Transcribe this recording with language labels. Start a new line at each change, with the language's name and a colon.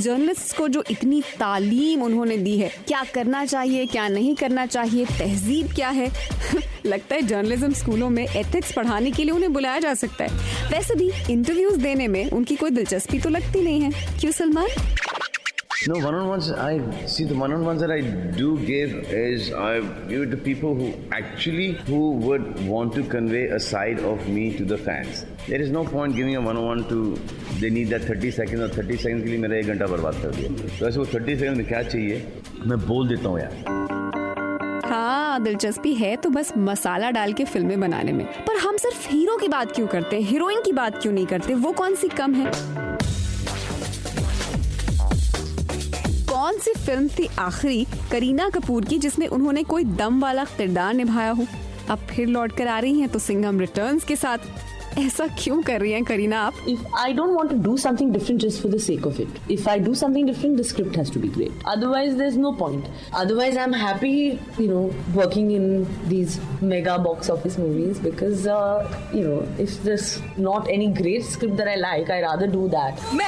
Hindi: Journalists को जो इतनी तालीम उन्होंने दी है, क्या करना चाहिए क्या नहीं करना चाहिए, तहजीब क्या है, लगता है जर्नलिज्म स्कूलों में एथिक्स पढ़ाने के लिए उन्हें बुलाया जा सकता है। वैसे भी इंटरव्यूज देने में उनकी कोई दिलचस्पी तो लगती नहीं है, क्यों Salman?
English: No, one-on-ones, I see the one-on-ones that I do give is I give it to people who would want to convey a side of me to the fans. There is no point giving a one-on-one to, they need that 30 seconds or 30 seconds
Hindi: ke liye mera 1 ghanta barbaad kar diya. So aise wo 30 seconds mein kya chahiye? Main bol deta hu yaar. हाँ, दिलचस्पी है तो बस मसाला डाल के फिल्में बनाने में। पर हम सिर्फ हीरो की बात क्यों करते हैं, हीरोइन की बात क्यों नहीं करते, वो कौन सी कम है? कौन सी फिल्म थी आखिरी करीना कपूर की जिसमें उन्होंने कोई दम वाला किरदार निभाया हो? अब फिर लौट कर आ रही हैं तो सिंघम रिटर्न्स के साथ। ऐसा क्यों कर रही हैं करीना आप?
English: If I don't want to do something different just for the sake of it. If I do something different, the script has to be great. Otherwise, there's no point. Otherwise, I'm happy, you know, working in these mega box office movies because, you know, if there's not any great script that I like, I'd rather do that.